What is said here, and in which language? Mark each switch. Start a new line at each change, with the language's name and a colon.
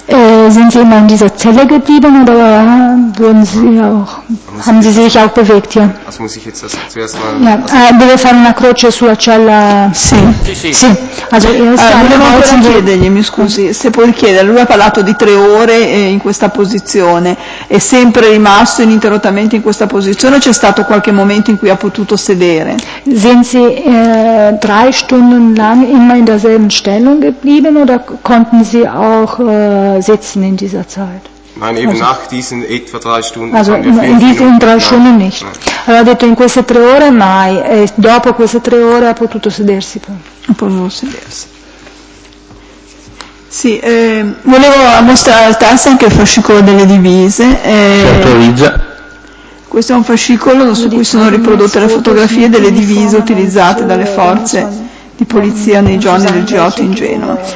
German: Sind Sie immer in dieser Zelle geblieben oder wurden Sie auch, haben Sie sich auch bewegt hier? Also muss ich jetzt das zuerst mal... Ja.
Italian: Deve fare una croce sulla cella... Sì, sì. Also, volevo ancora chiedergli, mi scusi, se puoi chiedere, lui ha parlato di 3 ore in questa posizione, è sempre rimasto ininterrottamente in questa posizione o c'è stato qualche momento in cui ha potuto sedere?
German: Sind Sie drei Stunden lang immer in derselben Stellung geblieben oder konnten Sie auch... sitzen in dieser Zeit. Nein, eben also, nach diesen etwa 3 Stunden. Also in diesen 3 Stunden nicht. Nein. Er hat gesagt, in diesen 3 Stunden mai.
Italian: E dopo queste 3 ore ha potuto sedersi. Ha potuto sedersi. Sì, volevo mostrare al tasto anche il fascicolo delle divise. Si autorizza. Questo è un fascicolo su cui sono riprodotte le fotografie delle divise utilizzate dalle forze di polizia nei giorni del G8 in Genova.